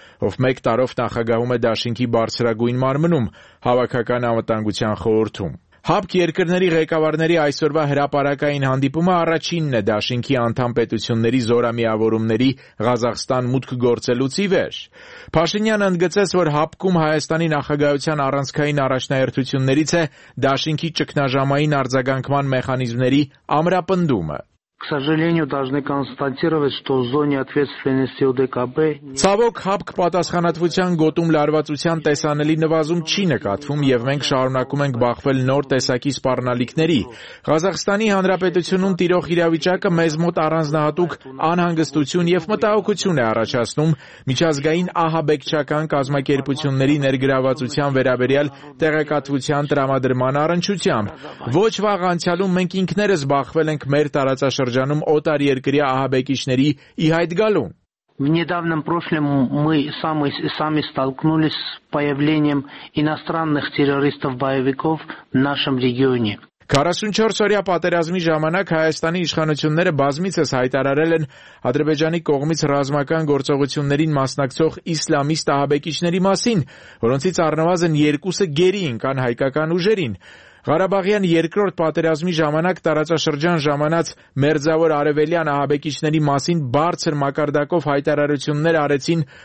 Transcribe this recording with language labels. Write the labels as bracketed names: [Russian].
[Armenian] ով մեկ տարով նախագահում է Դաշինքի բարձրագույն մարմնում, հավաքական անվտանգության խորհրդում։ ՀԱՊ երկրների ղեկավարների այսօրվա հրապարակային հանդիպումը առաջինն է Դաշինքի անդամ պետությունների զորամիավորումների Ղազախստան մուտք գործելուց ի վեր։ Փաշինյանը ընդգծեց, որ ՀԱՊԿ-ում Հայաստանի նախագահության առանցքային առաջնահերթություններից է Դաշինքի ճգնաժամային արձագանքման մեխանիզմների ամրապնդումը։ [Russian] К сожалению, должны констатировать, что в зоне ответственности ОДКБ [Armenian] Ցավոք ՀԱՊԿ պատասխանատվության գոտում լարվածության տեսանելի նվազում չի նկատվում եւ մենք շարունակում ենք բախվել նոր տեսակի սպառնալիքների։ Ղազախստանի Հանրապետությունում տիրող իրավիճակը մեզ մոտ առանձնահատուկ անհանգստություն եւ մտահոգություն է առաջացնում միջազգային ահաբեկչական կազմակերպությունների ներգրավվածության վերաբերյալ տեղեկատվության տրամադրման առնչությամբ։ Ոչ վաղ անցյալում մենք ինքներս բախվել ենք մեր տարածաշրջանում Շրջանում օտար երկրյա ահաբեկիչների ի հայտ գալուն։ [Russian] В недавнем прошлом мы сами столкнулись с появлением иностранных террористов-боевиков в нашем регионе. [Armenian] 44-օրյա պատերազմի ժամանակ Հայաստանի իշխանությունները բազմիցս հայտարարել են Ադրբեջանի կողմից ռազմական գործողություններին մասնակցող իսլամիստ ահաբեկիչների մասին, որոնցից առնվազն 2-ը գերի ընկան հայկական ուժերին։ Ղարաբաղյան երկրորդ պատերազմի ժամանակ տարածաշրջան ժամանած մերձավոր արևելյան ահաբեկիչների մասին բարձր մակարդակով հայտարարություններ արեցին